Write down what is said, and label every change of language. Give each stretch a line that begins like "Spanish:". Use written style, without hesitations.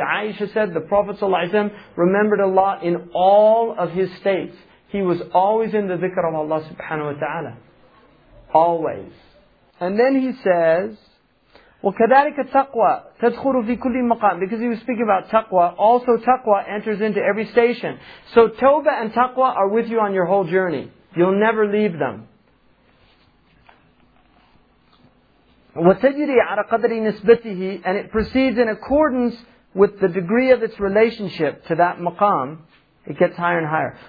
English: Aisha said, the Prophet ﷺ remembered Allah in all of his states. He was always in the dhikr of Allah subhanahu wa ta'ala. Always. And then he says,
Arabic: وَكَذَلِكَ التَّقْوَى تَدْخُرُ فِي كُلِّ مَقَامٍ.
English: Because he was speaking about taqwa, also taqwa enters into every station. So tawbah and taqwa are with you on your whole journey. You'll never leave them.
Arabic: وَتَجْرِي عَرَ قَدْرِ نِسْبَتِهِ.
English: And it proceeds in accordance with the degree of its relationship to that maqam. It gets higher and higher.